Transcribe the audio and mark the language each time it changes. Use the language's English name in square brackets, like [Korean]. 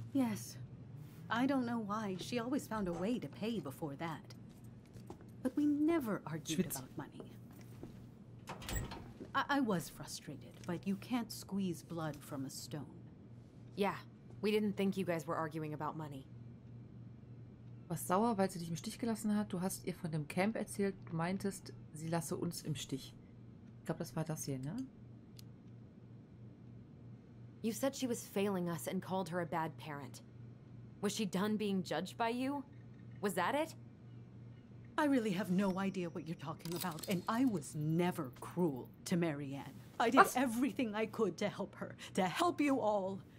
[English] Yes. I don't know why. She always found a way to pay before that. But we never argued about money. I was frustrated, but you can't squeeze blood from a stone. Yeah, we didn't think you guys were arguing about money. [German] Was sauer, weil sie dich im Stich gelassen hat. Du hast ihr von dem Camp erzählt, du meintest, sie lasse uns im Stich. Ich glaube, das war das hier, ne? [English] You said she was failing us and called her a bad parent. Was she done being judged by you? Was that it? I really have no idea what you're talking about, and I was never cruel to Marianne. I did everything I could to help her, to help you all.